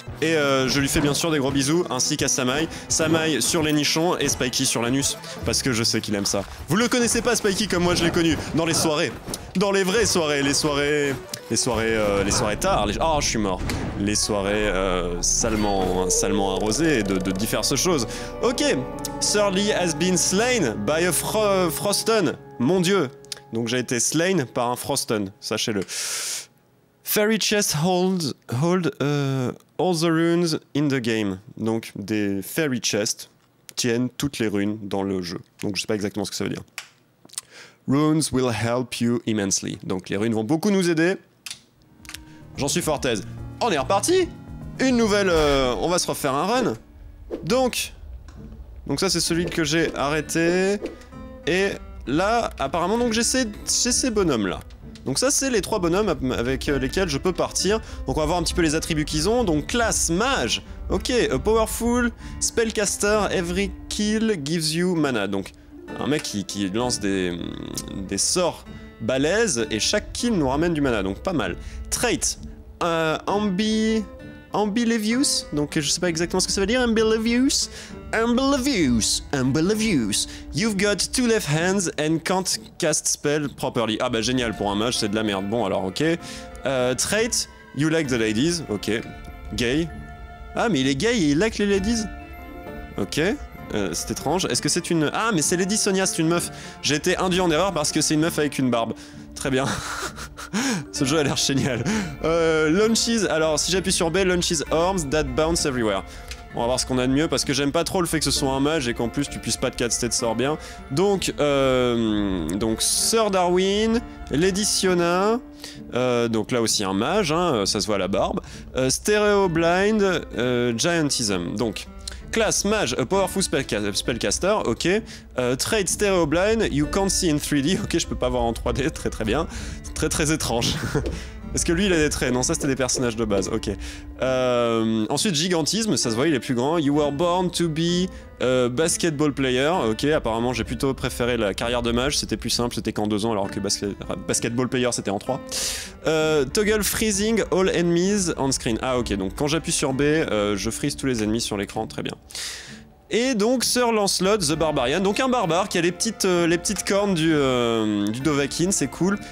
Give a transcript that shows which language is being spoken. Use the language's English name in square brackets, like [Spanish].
[French] Et je lui fais bien sûr des gros bisous, ainsi qu'à Samaï. Samaï sur les nichons et Spikey sur l'anus, parce que je sais qu'il aime ça. Vous le connaissez pas, Spikey, comme moi je l'ai connu, dans les soirées. Dans les vraies soirées, les soirées tard, oh, je suis mort. Les soirées salement arrosées de diverses choses. [English] Ok, Surly has been slain by a Frosten. [French] Mon dieu. Donc j'ai été slain par un Frosten, sachez-le. [English] Fairy chest hold all the runes in the game. [French] Donc des fairy chests tiennent toutes les runes dans le jeu. Donc je sais pas exactement ce que ça veut dire. [English] Runes will help you immensely. [French] Donc les runes vont beaucoup nous aider. J'en suis fort aise. On est reparti. Une nouvelle... on va se refaire un run. Donc ça c'est celui que j'ai arrêté. Et là, apparemment, donc j'ai ces bonhommes là. Donc ça c'est les trois bonhommes avec lesquels je peux partir. Donc on va voir un petit peu les attributs qu'ils ont. Donc classe, mage. [English] Ok, a powerful spellcaster, every kill gives you mana. [French] Donc un mec qui lance des sorts balèzes et chaque kill nous ramène du mana, donc pas mal. Trait, ambilevious, donc je sais pas exactement ce que ça veut dire, ambilevious. [English] You've got two left hands and can't cast spell properly. [French] Ah bah génial, pour un mage c'est de la merde, bon alors ok. Trait, [English] you like the ladies, [French] ok. Gay, ah mais il est gay et il like les ladies. Ok. C'est étrange. Est-ce que c'est une... Ah, mais c'est Lady Sonia, c'est une meuf. J'ai été induit en erreur parce que c'est une meuf avec une barbe. Très bien. Ce jeu a l'air génial. Launches. Alors, si j'appuie sur B, [English] launches arms that bounce everywhere. [French] On va voir ce qu'on a de mieux parce que j'aime pas trop le fait que ce soit un mage et qu'en plus tu puisses pas te caster de sort bien. Donc Sir Darwin, Lady Siona, donc là aussi un mage, hein, ça se voit à la barbe. Stereo Blind, Giantism. Donc... Classe, mage, [English] a powerful spellcaster, [French] ok. Trait, stereo blind, [English] you can't see in 3D, [French] ok, je peux pas voir en 3D, très très bien. C'est très très étrange. Est-ce que lui il a des traits? Non, ça c'était des personnages de base, ok. Ensuite, gigantisme, ça se voit, il est plus grand. [English] You were born to be a basketball player, ok. [French] Apparemment, j'ai plutôt préféré la carrière de mage, c'était plus simple, c'était qu'en 2 ans, alors que basketball player c'était en 3. [English] Toggle freezing all enemies on screen. [French] Ah, ok, donc quand j'appuie sur B, je freeze tous les ennemis sur l'écran, très bien. Et donc, Sir Lancelot, the Barbarian, donc un barbare qui a les petites cornes du Dovahkiin, c'est cool.